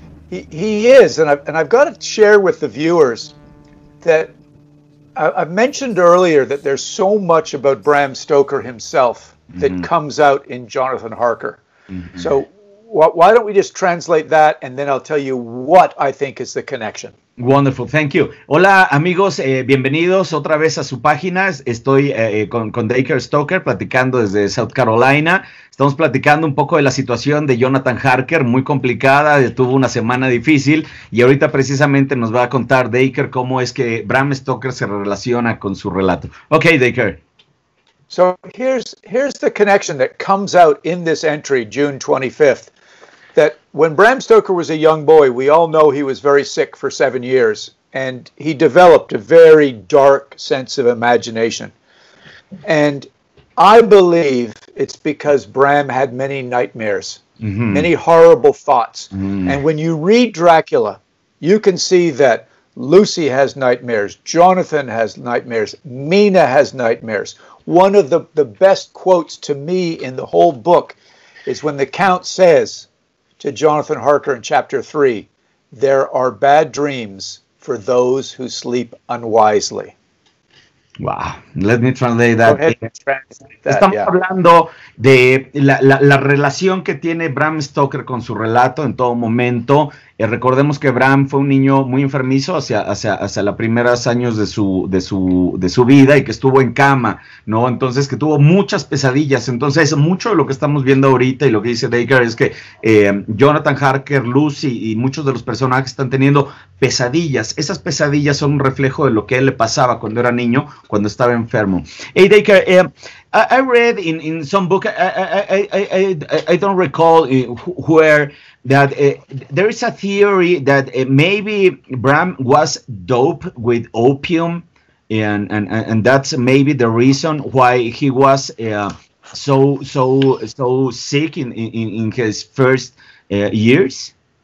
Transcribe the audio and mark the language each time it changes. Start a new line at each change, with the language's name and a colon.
English: He is, and I've got to share with the viewers that I've mentioned earlier that there's so much about Bram Stoker himself that mm-hmm. comes out in Jonathan Harker. Mm-hmm. So why don't we just translate that, and then I'll tell you what I think is the connection. Wonderful, thank you.
Spanish: Hola amigos, bienvenidos otra vez a su página. Estoy con Dacre Stoker platicando desde South Carolina. Estamos platicando un poco de la situación de Jonathan Harker, muy complicada, tuvo una semana difícil y ahorita precisamente nos va a contar Dacre cómo es que Bram Stoker se relaciona con su relato.
English: Okay, Dacre. So here's the connection that comes out in this entry, June 25th. That when Bram Stoker was a young boy, we all know he was very sick for 7 years, and he developed a very dark sense of imagination. And I believe it's because Bram had many nightmares, mm-hmm. many horrible thoughts. Mm-hmm. And when you read Dracula, you can see that Lucy has nightmares, Jonathan has nightmares, Mina has nightmares. One of the best quotes to me in the whole book is when the Count says to Jonathan Harker in chapter 3, there are bad dreams for those who sleep unwisely. Wow, let me translate that. Go ahead and translate that.
Spanish: Estamos
English: yeah.
Spanish: hablando de la relación que tiene Bram Stoker con su relato en todo momento. Recordemos que Bram fue un niño muy enfermizo hacia los primeros años de su vida y que estuvo en cama, ¿no? Entonces, que tuvo muchas pesadillas. Entonces, mucho de lo que estamos viendo ahorita y lo que dice Dacre es que Jonathan Harker, Lucy y muchos de los personajes están teniendo pesadillas. Esas pesadillas son un reflejo de lo que a él le pasaba cuando era niño, cuando estaba enfermo.
English: Hey, Dacre, I read in some book, I don't recall where, that there is a theory that maybe Bram was dope with opium, and that's maybe the reason why he was so sick in his first years.